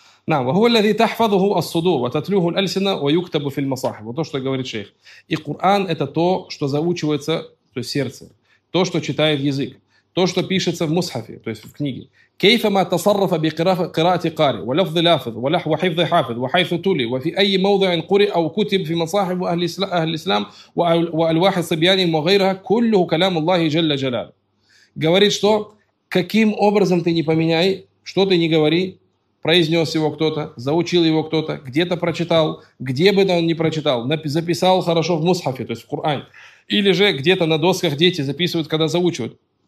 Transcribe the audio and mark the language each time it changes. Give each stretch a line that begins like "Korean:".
Arabic: Нам, وهو الذي تحفظه الصدور وتتلوه الألسنة ويكتب في المصاحف.
Russian: То, что говорит шейх. И Коран это то, что заучивается, то есть сердце, то, что читает язык, то, что пишется в мусхафе, то есть в книге.
Arabic: كيف ما تصرف بقراءة قارئ ولفظ لافظ وحفظ حافظ وحيث تلي وفي أي موضع قرئ أو كتب في مصاحف أهل الإسلام وألواح الصبيان وغيرها كله كلام الله جل جلاله.
Russian: Говорит, что каким образом ты не поменяй, что ты не говори, произнес его кто-то, заучил его кто-то, где-то прочитал, где бы он ни прочитал, записал хорошо в мусхафе, то есть в Коране, или же где-то на досках дети записывают, когда заучивают.